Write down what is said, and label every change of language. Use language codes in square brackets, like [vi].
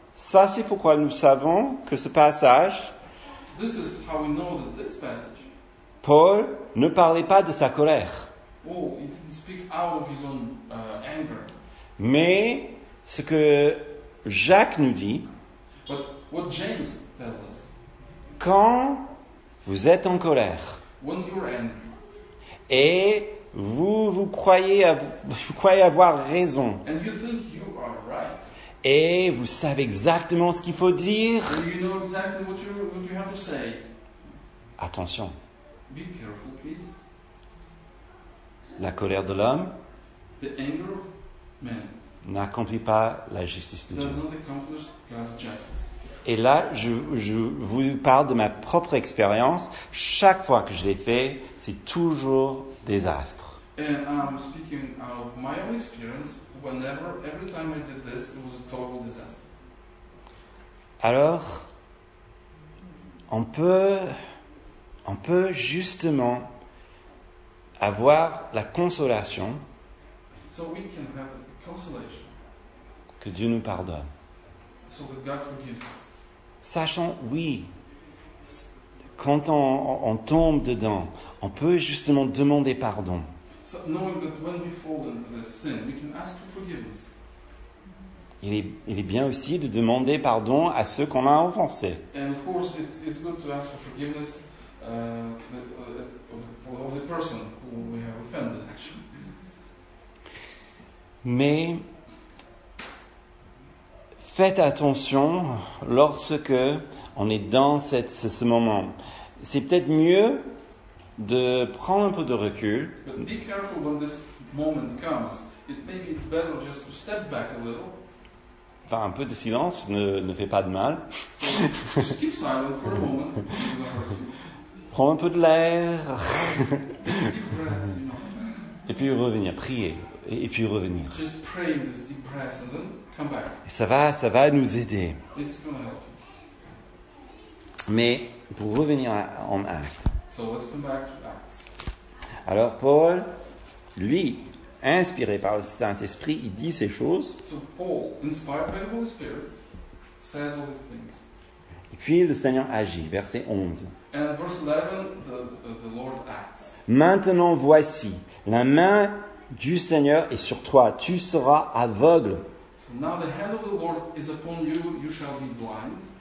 [fr] Ça, c'est pourquoi nous savons que ce passage, [en] this is how we know that this passage, [fr] Paul ne parlait pas de sa colère. [en] Paul, he didn't speak out of his own, anger. [fr] Mais ce que Jacques nous dit, [en] but what James tells us, [fr] quand vous êtes en colère, [en] when you're angry, [fr] et vous croyez avoir raison, [en] and you think you are right, [fr] et vous savez exactement ce qu'il faut dire, [en] so you know exactly what you have to say. [fr] Attention. [en] Be careful, please. [fr] La colère de l'homme, [en] the anger of man, [fr] n'accomplit pas la justice de [en] does [fr] Dieu. [en] Not accomplish God's justice. [fr] Et là, je vous parle de ma propre expérience. Chaque fois que je l'ai fait, c'est toujours désastre. [en] And I'm speaking out of my own experience. Whenever, every time I did this, it was a total disaster. [fr] Alors, on peut justement avoir la consolation, [en] so we can have a consolation, [fr] que Dieu nous pardonne. [en] So that God forgives us. [fr] Sachant, oui, quand on tombe dedans, on peut justement demander pardon. [en] So, knowing that when we fall into the sin, we can ask for forgiveness. [fr] Il est bien aussi de demander pardon à ceux qu'on a offensés. [en] And of course, it's good to ask for forgiveness of the person who we have offended, actually. [fr] Mais faites attention lorsque on est dans ce moment. C'est peut-être mieux de prendre un peu de recul. [en] But be careful when this moment comes. It maybe it's better just to step back a little. [fr] Enfin, un peu de silence ne fait pas de mal. [en] So, just keep silent for a moment. [fr] Prends un peu de l'air. [en] Take a deep breath, you know. [fr] Et puis revenir, prier. Et puis revenir. [en] Just pray in this deep breath and then come back. [fr] Et ça va nous aider. [en] It's gonna help. [fr] Mais pour revenir en Actes. [en] So let's come back to Acts. [fr] Alors Paul, lui, inspiré par le Saint-Esprit, il dit ces choses. [en] So Paul, inspired by the Holy Spirit, says all these things. [fr] Et puis le Seigneur agit, verset 11. [en] And verse 11, the Lord acts. [fr] Maintenant voici, la main du Seigneur est sur toi, tu seras aveugle. [en] Now the hand of the Lord is upon you, you shall be blind.